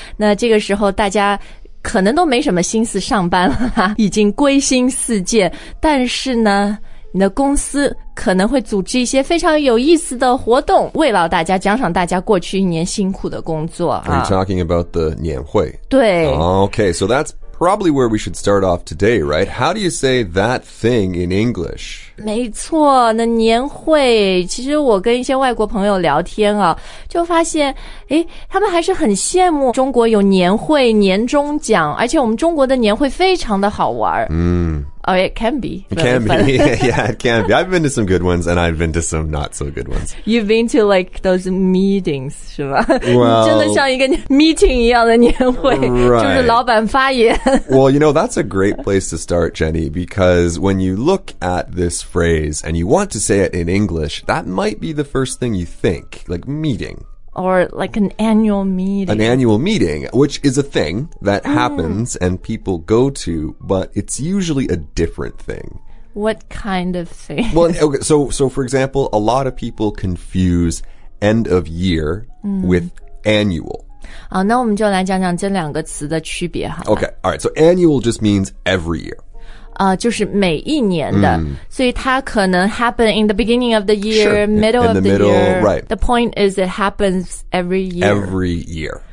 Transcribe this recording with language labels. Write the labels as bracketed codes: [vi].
[zh] 那这个时候大家可能都没什么心思上班了哈，已经归心似箭。但是呢，你的公司可能会组织一些非常有意思的活动，慰劳大家，奖赏大家过去一年辛苦的工作。 [en] Are you talking about the 年会？ [zh] 对。 [en] Okay, so that's probably where we should start off today, right? How do you say that thing in English? [zh] 没错，那年会，其实我跟一些外国朋友聊天啊，就发现，诶，他们还是很羡慕中国有年会、年终奖，而且我们中国的年会非常的好玩。嗯。 [en] Oh, it can be. It can be. Yeah, it can be. I've been to some good ones and I've been to some not so good ones. You've been to like those meetings, [zh] 是吧？ [en] Well, [zh] 真的像一个 meeting 一样的年会、 [en] right. [zh] 就是老板发言。 [en] Well, you know, that's a great place to start, Jenny, because when you look at this phrase and you want to say it in English, that might be the first thing you think, like meeting. Or like an annual meeting. An annual meeting, which is a thing that happens and people go to, but it's usually a different thing. What kind of thing? Well, okay, so for example, a lot of people confuse end of year with annual. [zh] 好，那我们就来讲讲这两个词的区别哈。 [en] Okay, all right, so annual just means every year. [zh] 就是每一年的、所以它可能 [en] happen in the beginning of the year, sure, middle in of the middle, year. Right. The point is it happens every year. Every year.